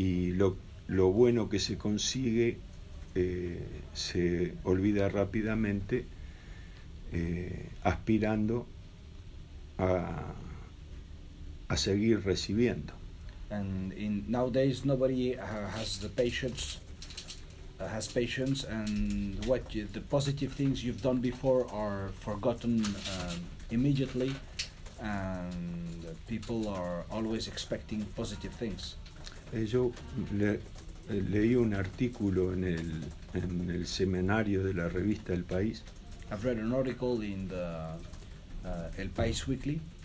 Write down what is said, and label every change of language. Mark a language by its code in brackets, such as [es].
[es] Y lo bueno que se consigue se olvida rápidamente aspirando a seguir recibiendo. [en] And in nowadays nobody has the patience, has patience, and what you, the positive things you've done before are forgotten immediately, and people are always expecting positive things. [es] Yo leí un artículo en el seminario de la revista El País. [en] I've read an article in the El País Weekly.